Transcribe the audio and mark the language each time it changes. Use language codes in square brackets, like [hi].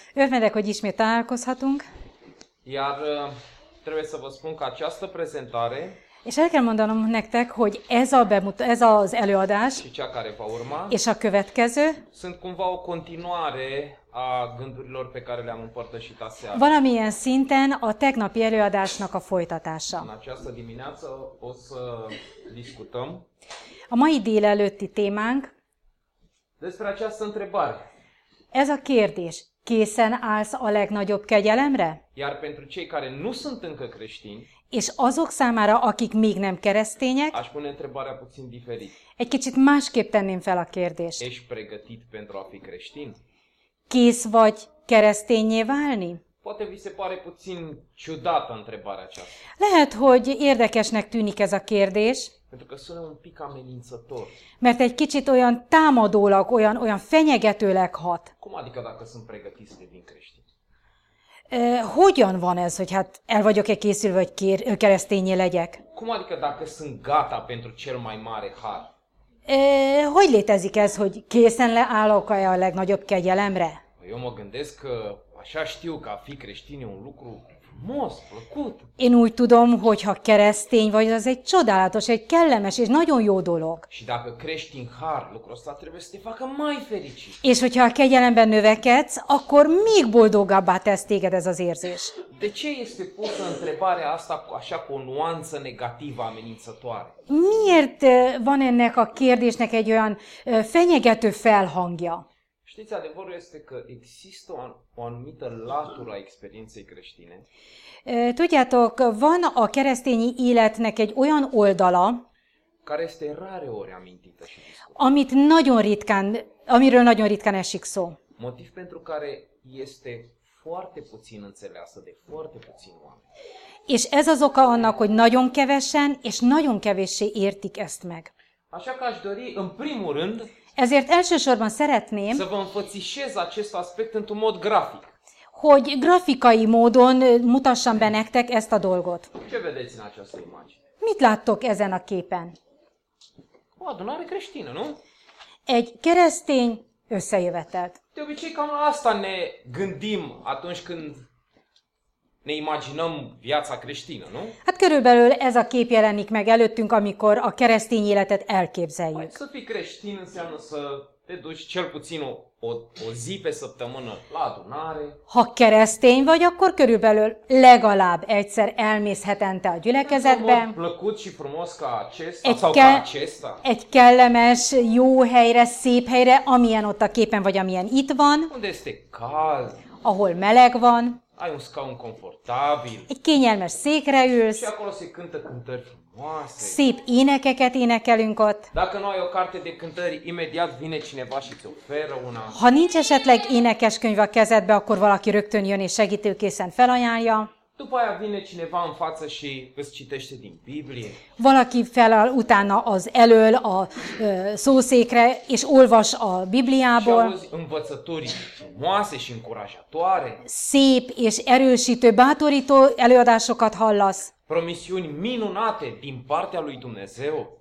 [hu] Örvendek, hogy ismét találkozhatunk. [ro] Iar trebuie să vă spun că această prezentare [hu] És el kell mondanom nektek, hogy ez az előadás [ro] și cea care va urma [hu] és a következő [ro] sunt cumva o continuare a gândurilor pe care le-am împărtășit aseară. [hu] Valamilyen szinten a tegnapi előadásnak a folytatása. [ro] În această dimineață o să discutăm [hu] a mai délelőtti témánk [ro] despre această întrebare. [hu] Ez a kérdés. Készen állsz a legnagyobb kegyelemre? [ro] Iar pentru cei care nu sunt încă creștini, [hu] és azok számára, akik még nem keresztények, [ro] aș pune întrebarea puțin diferit. [hu] Egy kicsit másképp tenném fel a kérdést. [ro] Ești pregătit pentru a fi creștin? [hu] Kész vagy keresztényé válni? [ro] Poate vi se pare puțin ciudată întrebarea aceasta. [hu] Lehet, hogy érdekesnek tűnik ez a kérdés. [ro] Pentru că sună un pic amenințător. [hu] Mert egy kicsit olyan támadólag, olyan fenyegetőleg hat. [ro] Cum adică dacă sunt pregătit să devin creștin? [hu] Hogyan van ez, hogy hát el vagyok-e készülve, hogy keresztényé legyek? [ro] Cum adică dacă sunt gata pentru cel mai mare har? [hu] Hogy létezik ez, hogy készen leállok-e a legnagyobb kegyelemre? [ro] Eu mă gândesc că așa știu că a fi creștin e un lucru frumos, plăcut. [hu] Én úgy tudom, hogy ha keresztény vagy, az egy csodálatos, egy kellemes és nagyon jó dolog. [ro] Și dacă crești în har, lucrul ăsta trebuie să te facă mai fericit. [hu] És hogyha a kegyelemben növekedsz, akkor még boldogabbá tesz téged ez az érzés. [ro] De ce este pusă întrebarea asta așa cu o nuanță negativă amenințătoare? [hu] Miért van ennek a kérdésnek egy olyan fenyegető felhangja? [ro] Știți, adevărul este că există o anumită latură a experienței creștine. [hu] Tudjátok, van a keresztényi életnek egy olyan oldala, [ro] care este rare ori amintită și [hu] amit nagyon ritkán, amiről nagyon ritkán esik szó. [ro] Motiv pentru care este foarte puțin înțeleasă de foarte puțin oameni. [hu] És ez az oka annak, hogy nagyon kevesen és nagyon kevéssé értik ezt meg. [ro] Așa că aș dori, în primul rând, [hu] ezért elsősorban szeretném, [ro] să vă înfățișez acest aspect într-un mod grafic. [hu] Hogy grafikai módon mutassam be nektek ezt a dolgot. [ro] Ce vedeți în această imagine? [hu] Mit láttok ezen a képen? [ro] O adunare creștină, nu? [hu] Egy keresztény összejövetelt. [ro] De obicei cam la asta ne gândim atunci când ne imaginăm viața creștină, nu? [hu] Hát körülbelül ez a kép jelenik meg előttünk, amikor a keresztény életet elképzeljük. [ro] Hát, să fii creștin înseamnă să te duci cel puțin o zi pe săptămână la adunare. [hu] Ha keresztény vagy, akkor körülbelül legalább egyszer elmész hetente a gyülekezetbe. [ro] Nem plăcut și frumos ca acesta, [hu] Egy kellemes, jó helyre, szép helyre, amilyen ott a képen vagy, amilyen itt van. [ro] Unde este cald. [hu] Ahol meleg van. [ro] Ai un scaun confortabil. [hu] Egy kényelmes székre ülsz. [ro] Și acolo se cântă cântări frumoase. [hu] Szép énekeket énekelünk ott. [ro] Dacă nu ai o carte de cântări, imediat vine cineva și ți oferă una. [hu] Ha nincs esetleg énekes könyv a kezedbe, akkor valaki rögtön jön és segítőkészen felajánlja. [ro] După aia vine cineva în față și îți citește din Biblie. [hu] Valaki feláll utána az elől a szószékre és olvas a Bibliából. [ro] Și auzi învățături frumoase și încurajatoare. [hu] Szép és erősítő, bátorító előadásokat hallasz. [ro] Promisiuni minunate din partea lui Dumnezeu.